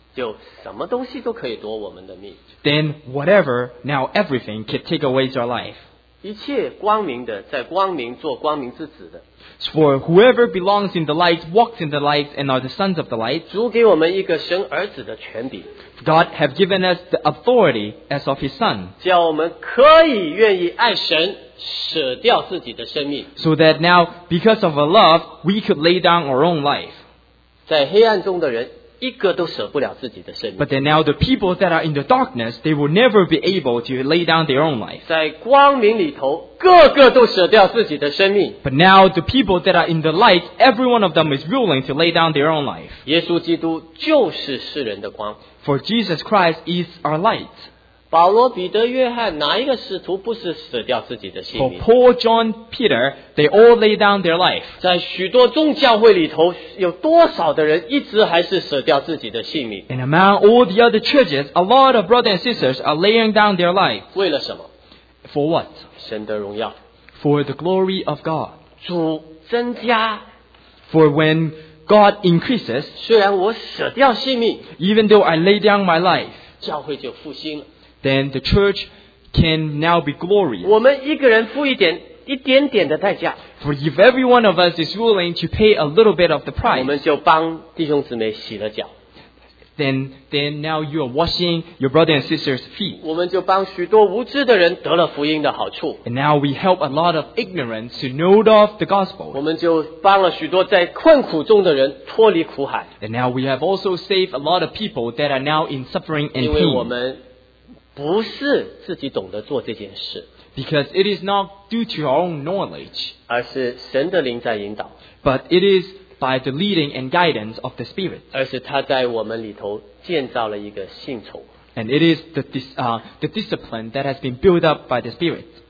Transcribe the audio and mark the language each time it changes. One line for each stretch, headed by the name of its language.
Chinese: 就什么东西都可以夺我们的命,
English: then whatever, now everything, could take away our life.
Chinese: 一切光明的, 在光明做光明之子的,
English: for whoever belongs in the light, walks in the light, and are the sons of the light,
Chinese: 主给我们一个神儿子的权柄,
English: God has given us the authority as of His Son,
Chinese: 叫我们可以愿意爱神, 舍掉自己的生命,
English: so that now, because of our love, we could lay down our own life.
Chinese: 在黑暗中的人,
English: but then now the people that are in the darkness, they will never be able to lay down their own life.
Chinese: 在光明里头,
English: but now the people that are in the light, every one of them is willing to lay down their own life.
Chinese: 耶稣基督就是世人的光,
English: for Jesus Christ is our light.
Chinese: 保罗, 彼得, 约翰,
English: for Paul, John, Peter, they all lay down their life.
Chinese: 在许多宗教会里头,
English: and among all the other churches, a lot of brothers and sisters are laying down their life.
Chinese: 为了什么?
English: For what?
Chinese: 神的荣耀,
English: for the glory of God.
Chinese: 主增加,
English: for when God increases,
Chinese: 虽然我舍掉性命,
English: even though I lay down my life,
Chinese: 教会就复兴了,
English: then the church can now be glorious.
Chinese: 我们一个人付一点, 一点点的代价,
English: For if every one of us is willing to pay a little bit of the price,
Chinese: 我们就帮弟兄姊妹洗了脚,
English: then now you are washing your brother and sister's feet.
Chinese: 我们就帮许多无知的人得了福音的好处,
English: and now we help a lot of ignorance to know of the gospel.
Chinese: 我们就帮了许多在困苦中的人脱离苦海,
English: and now we have also saved a lot of people that are now in suffering and pain.
Chinese: 因为我们不是自己懂得做这件事,
English: because it is not due to our own knowledge,
Chinese: 而是神的灵在引导,
English: but it is by the leading and guidance of the Spirit.
Chinese: 而是他在我们里头建造了一个信仇,
English: and it is the discipline that has been built up by the Spirit.